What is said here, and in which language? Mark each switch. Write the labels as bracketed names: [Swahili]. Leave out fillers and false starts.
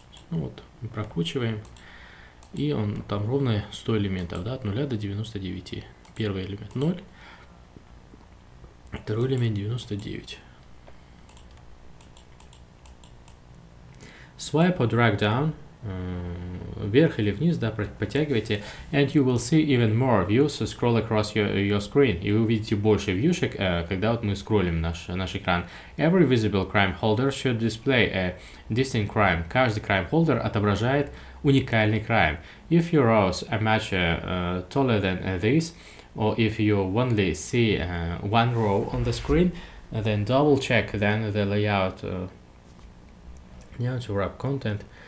[Russian] Ну вот, мы прокручиваем. И он там ровно 100 элементов, да, от 0 до 99. Первый элемент 0. Второй элемент 99. [English] Swipe or drag down. [Russian] Вверх или вниз, да, подтягивайте. [English] And you will see even more views scroll across your screen. [Russian] И вы увидите больше вьюшек, когда вот мы скроллим наш экран. [English] Every visible crime holder should display a distinct crime. [Russian] Каждый crime holder отображает уникальный crime. [English] If your rows are much taller than this, or if you only see one row on the screen, then double check then the layout to wrap content.